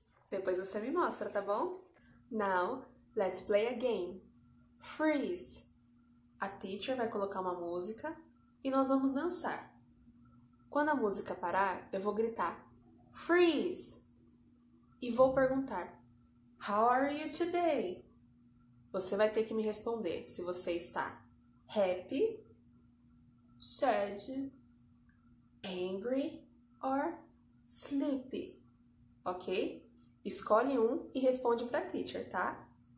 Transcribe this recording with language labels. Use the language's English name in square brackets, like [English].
[Portuguese] Depois você me mostra, tá bom? [English] Now, let's play a game. Freeze. [Portuguese] A teacher vai colocar uma música e nós vamos dançar. Quando a música parar, eu vou gritar Freeze! E vou perguntar [English] How are you today? [Portuguese] Você vai ter que me responder se você está [English] happy, sad, angry or sleepy. [Portuguese] Ok? Escolhe um e responde para a teacher, tá?